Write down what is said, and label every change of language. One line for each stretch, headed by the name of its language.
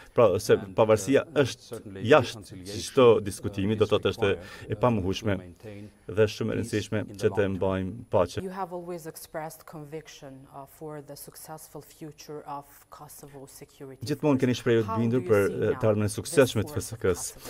Albanian: Pra se pavarësia është jashtë çdo diskutimi, do të thotë është e pamuhshme dhe shumë e rëndësishme që të mbajmë paqen.
English: You have always expressed conviction for the successful future of Kosovo security.
Albanian: Gjithmonë keni shprehur të bindur për të ardhmen e suksesshme të FSK-s.